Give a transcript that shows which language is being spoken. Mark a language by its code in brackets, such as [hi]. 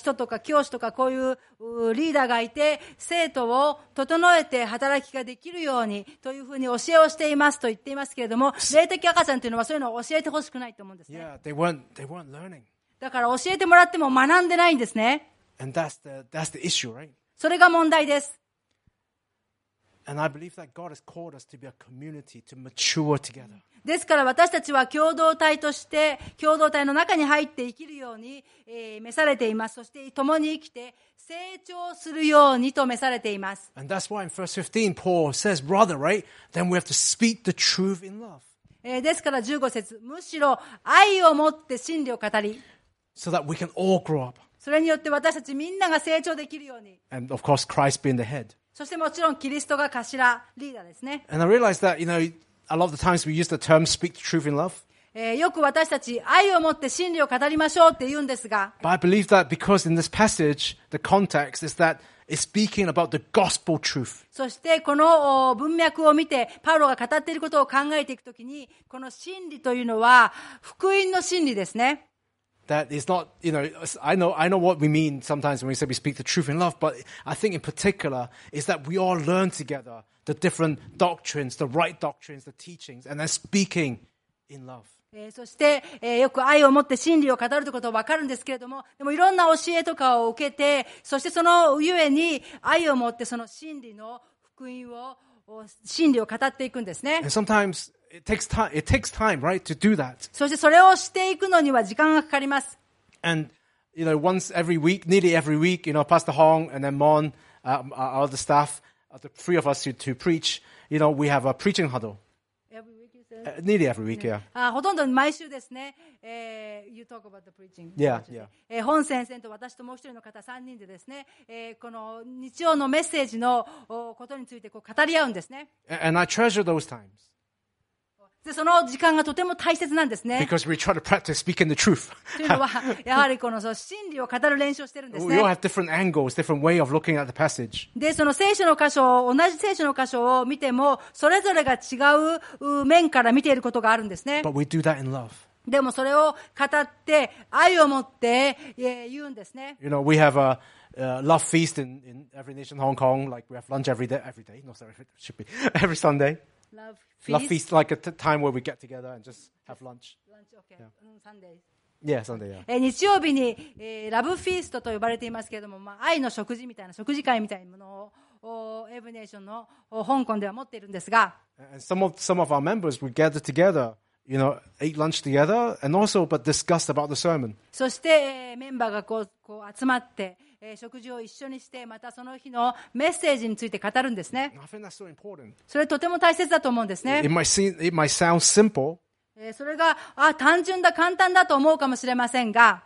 [ja] 使徒とか教師とかこういうリーダーがいて、生徒を整えて働きができるようにというふうに教えをしていますと言っていますけれども、霊的赤ちゃんというのはそういうのを教えてほしくないと思うんですね。 [en] Yeah, they weren't learning. [ja] だから教えてもらっても学んでないんですね。 [en] And that's the issue, right? [ja] それが問題です。 [en] And I believe that God has called us to be a community to mature together. [ja] ですから私たちは共同体として共同体の中に入って生きるように、召されています。そして共に生きて成長するようにと召されています。 [en] And that's why in verse 15, Paul says, "Brother, right? Then we have to speak the truth in love." [ja] ですから15節、むしろ愛を持って真理を語り。 [en] So that we can all grow up. [ja] それによって私たちみんなが成長できるように。 [en] And of course, Christ being the head. [ja] そしてもちろんキリストが頭リーダーですね。 [en] And I realize that, you know, a lot of the times we use the term speak the truth in love. [ja] よく私たち愛を持って真理を語りましょうって言うんですが。 [en] But I believe that because in this passage, the context is that it's speaking about the gospel truth. [ja] そしてこの文脈を見て、パウロが語っていることを考えていくときに、この真理というのは福音の真理ですね。 [en] That is not, you know, I know what we mean sometimes when we say we speak the truth in love, but I think in particular is that we all learn together the different doctrines, the right doctrines, the teachings, and then speaking in love. [ja] そして、よく愛を持って真理を語るということは分かるんですけれども、でもいろんな教えとかを受けて、そしてそのゆえに愛を持ってその真理の福音を、真理を語っていくんですね。 [en] And sometimes,It takes time, right, to do that. [ja] そしてそれをしていくのには時間がかかります。 [en] And, you know, once every week, nearly every week, you know, Pastor Hong and then Mon, our other staff, the three of us to preach, you know, we have a preaching huddle. Every week, you said? Nearly every week, yeah. [ja] ほとんど毎週ですね。 [en] You talk about the preaching. Yeah. [ja] 本先生と私ともう一人の方3人でですね、この日曜のメッセージのことについてこう語り合うんですね。 [en] And I treasure those times. [ja] でその時間がとても大切なんですね。 [en] Because we try to practice speaking the truth. [ja] というのはやはりこの真理を語る練習をしてるんですね。 [en] We all have different angles, different way of looking at the passage. [ja] でその聖書の箇所を同じ聖書の箇所を見てもそれぞれが違う面から見ていることがあるんですね。 [en] But we do that in love. [ja] でもそれを語って愛を持って言うんですね。 [en] You know, we have a love feast in every nation, Hong Kong. Like we have lunch every day, every day. No, sorry, it should be every Sunday. Love feast, like a time where we get together and just have lunch. Lunch, okay. Yeah. Sunday. Yeah, Sunday. Yeah. [ja] 日曜日に、ラブフィーストと呼ばれていますけれども、まあ愛の食事みたいな食事会みたいなものをエブネーションの香港では持っているんですが。 [en] And some of our members we gather together, you know, eat lunch together, and also but discuss about the sermon. [ja] そして、メンバーがこう集まって。食事を一緒にしてまたその日のメッセージについて語るんですね。それとても大切だと思うんですね。 [en] It might sound simple. [ja] それが単純だ簡単だと思うかもしれませんが、